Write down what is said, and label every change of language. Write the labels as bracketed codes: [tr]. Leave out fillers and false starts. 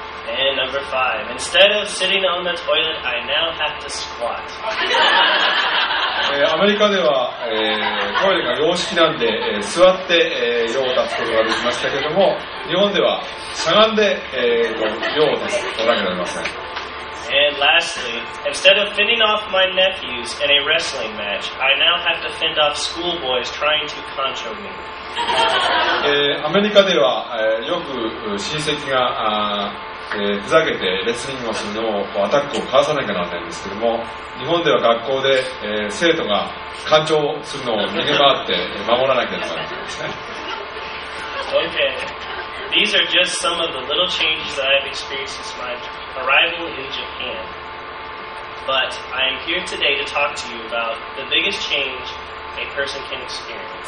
[en] And number five, instead of sitting on the toilet, I now have to squat. [ja] アメリカでは、トイレが洋式なんで、座って、用を出すことができましたけれども、日本ではしゃがんで、用を出すことができません。 [en] And lastly, instead of fending off my nephews in a wrestling match, I now have to fend off schoolboys trying to contro me. [ja] アメリカでは、よく親戚が、ふざけてレスリングをするのをこうアタックをかわさなきゃならないんですけども、日本では学校で、生徒が干渉するのを逃げ回って守らなきゃならないですね。 [en] OK, these are just some of the little changes that I have experienced since my arrival in Japan, but I am here today to talk to you about the biggest change a person can experience.